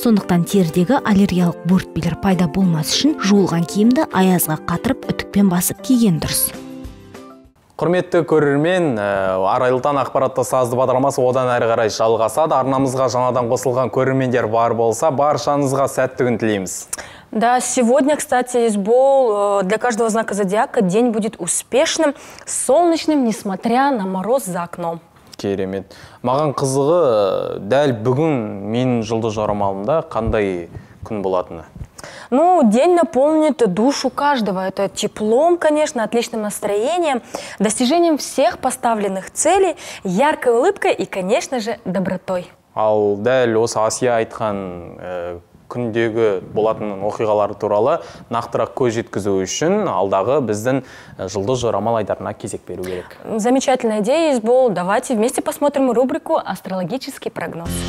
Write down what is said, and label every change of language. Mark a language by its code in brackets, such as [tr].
[kk] Сондықтан терідегі аллергиялық бөртпелер пайда болмас үшін жуылған киімді аязға қатырып, үтікпен басып киген дұрыс. Құрметті көрермен, Арайлытан ақпаратты сазды бағдарламасы одан әрі қарай жалғасады. Арнамызға жаңадан қосылған көрермендер бар болса, баршаңызға сәтті күн тілейміз. [ru] Да, сегодня, кстати, избол для каждого знака зодиака день будет успешным, солнечным, несмотря на мороз за окном. [kk] Керемет. Маған қызығы, дәл бүгін мен жылды жорамалымда қандай күн болатыны? [ru] Ну, день наполнит душу каждого. Это теплом, конечно, отличным настроением, достижением всех поставленных целей, яркой улыбкой и, конечно же, добротой. [kk] Ал дәл осы Асия айтқан күндегі болатын оқиғалар туралы нақтырақ көз жеткізу үшін алдағы біздің жылды жорамал айдарына кезек беру керек. [ru] Замечательная идея, Избол. Давайте вместе посмотрим рубрику «Астрологический прогноз».